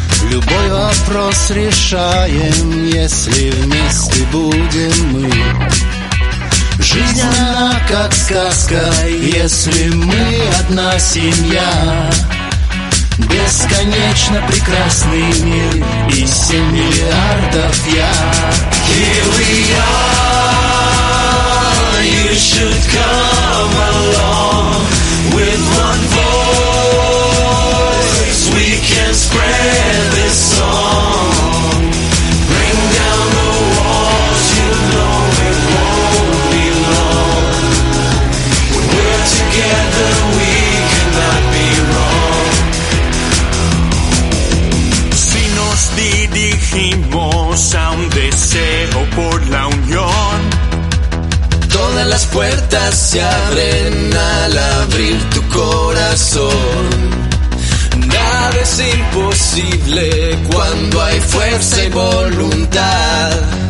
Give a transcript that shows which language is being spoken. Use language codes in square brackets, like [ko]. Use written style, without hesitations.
[ru] Любой вопрос решаем, если вместе будем мы. Жизнь она как сказка, если мы одна семья. Бесконечно прекрасный мир и 7 миллиардов я. [en] Here we are, you should come along. With one voice we can spread this song. Bring down the walls, you know it won't be long. When we're together we cannot be wrong. [es] Si nos dirigimos a un deseo por la unión, todas las puertas se abren al abrir tu corazón. Nada es imposible cuando hay fuerza y voluntad.